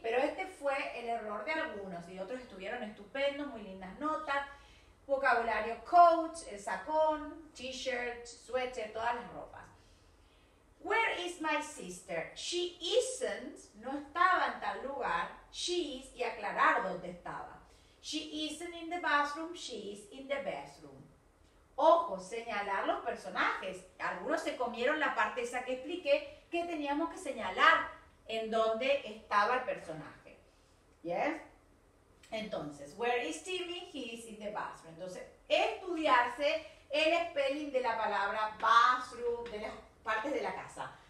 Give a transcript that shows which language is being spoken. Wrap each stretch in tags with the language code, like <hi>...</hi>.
<es>Pero este fue el error de algunos y otros estuvieron estupendos, muy lindas notas. Vocabulario, coat, el sacón, t-shirt, suéter, todas las ropas.</es> <en>Where is my sister? She isn't,</en> <es>no estaba en tal lugar.</es> <en>She is,</en> <es>y aclarar dónde estaba.</es> <en>She isn't in the bathroom, she is in the bathroom.</en> <es>Ojo, señalar los personajes. Algunos se comieron la parte esa que expliqué, que teníamos que señalar en dónde estaba el personaje. ¿Yes? Entonces,</es> <en>where is Timmy? He is in the bathroom.</en> <es>Entonces, estudiarse el spelling de la palabra bathroom, de las partes de la casa.</es>